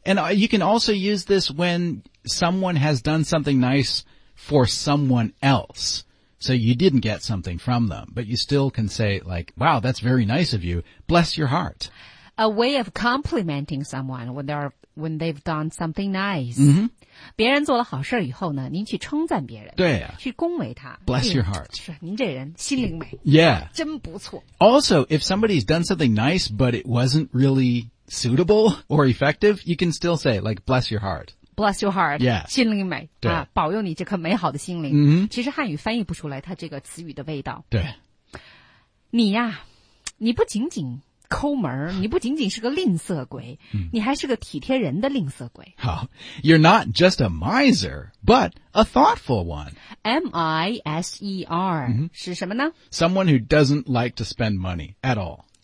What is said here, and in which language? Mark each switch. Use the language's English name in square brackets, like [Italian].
[English] And you can also use this when someone has done something nice for someone else. So you didn't get something from them, but you still can say like, wow, that's very nice of you. Bless your heart. A way of complimenting someone when they've done something nice. Mm-hmm. [Chinese] 别人做了好事以后呢,您去称赞别人。对啊。去恭维他。 [English] Bless your heart. [Chinese] 是,您这人心灵美。 [English] Yeah. [Chinese] 真不错。 [English] Also, if somebody's done something nice, but it wasn't really suitable or effective, you can still say, like, bless your heart. Bless your heart. Yeah. [Chinese] 心灵美。对。啊、保佑你这颗美好的心灵。嗯、mm-hmm.。其实汉语翻译不出来它这个词语的味道。对。你呀、啊、你不仅仅抠门你不仅仅是个吝啬鬼、嗯、你还是个体贴人的吝啬鬼。 [English] 好 ,you're not just a miser, but a thoughtful one. M-I-S-E-R,、嗯、 [Chinese] 是什么呢 [English] ?Someone who doesn't like to spend money at all.